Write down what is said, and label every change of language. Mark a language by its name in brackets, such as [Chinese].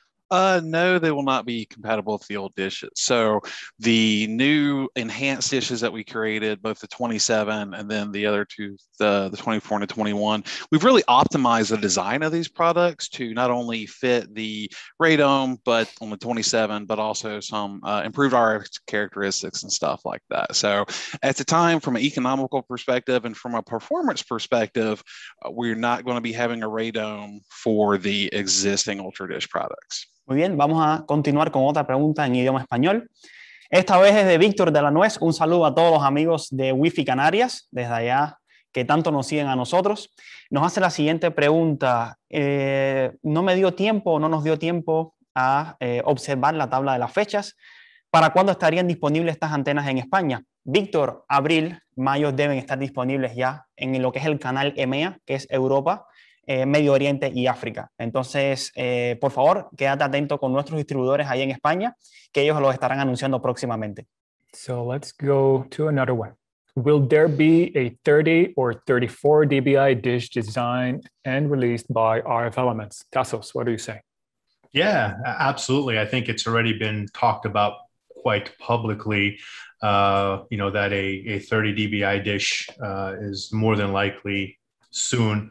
[English] No, they will not be compatible with the old dishes. So the new enhanced dishes that we created, both the 27 and then the other two, the 24 and the 21, we've really optimized the design of these products to not only fit the Radome, but on the 27, but also some improved RF characteristics and stuff like that. So at the time, from an economical perspective and from a performance perspective, we're not going to be having a Radome for the existing UltraDish products. [Spanish] Muy bien, vamos a continuar con otra pregunta en idioma español. Esta vez es de Víctor de la Nuez. Un saludo a todos los amigos de Wi-Fi Canarias, desde allá, que tanto nos siguen a nosotros. Nos hace la siguiente pregunta. No nos dio tiempo a observar la tabla de las fechas. ¿Para cuándo estarían disponibles estas antenas en España? Víctor, abril, mayo deben estar disponibles ya en lo que es el canal EMEA, que es Europa, Medio Oriente y África. Entonces, por favor, quédate atento con nuestros distribuidores ahí en España, que ellos los estarán anunciando próximamente. [English] So let's go to another one. Will there be a 30 or 34 dBi dish designed and released by RF Elements? Tassos, what do you say? Yeah, absolutely. I think it's already been talked about quite publicly, you know, that a 30 dBi dish is more than likely soon.